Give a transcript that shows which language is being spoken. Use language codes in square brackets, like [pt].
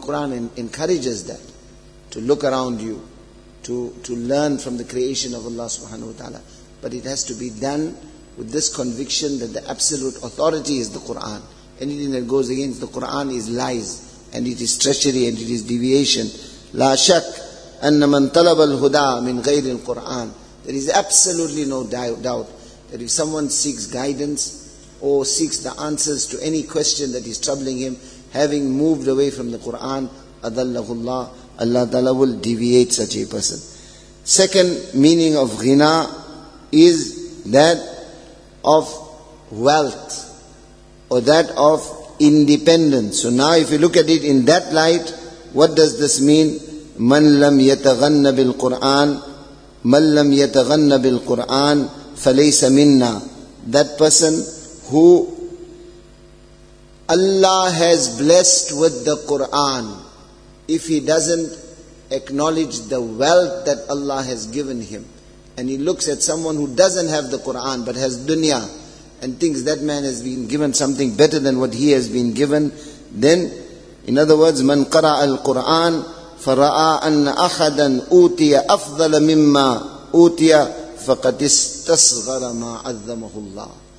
[en] Qur'an encourages that, to look around you, to learn from the creation of Allah subhanahu wa ta'ala. But it has to be done with this conviction that the absolute authority is the Qur'an. Anything that goes against the Qur'an is lies. And it is treachery and it is deviation. [ar] لا شك أن من طلب الهدى من غير القرآن. [en] There is absolutely no doubt that if someone seeks guidance or seeks the answers to any question that is troubling him, having moved away from the Qur'an, [ar] أضله الله, [en] Allah Ta'ala will deviate such a person. Second meaning of ghina is that of wealth or that of independence. So now if you look at it in that light, what does this mean? [ar] مَنْ لَمْ يَتَغَنَّ بِالْقُرْآنِ مَنْ لَمْ يَتَغَنَّ بِالْقُرْآنِ فَلَيْسَ مِنَّا. [en] That person who Allah has blessed with the Quran. If he doesn't acknowledge the wealth that Allah has given him, and he looks at someone who doesn't have the Quran but has dunya, and thinks that man has been given something better than what he has been given, then, in other words, [ar] من قرأ القرآن فرأى أن أحدا أوتي أفضل مما أوتي فقد استصغر ما عظمه الله.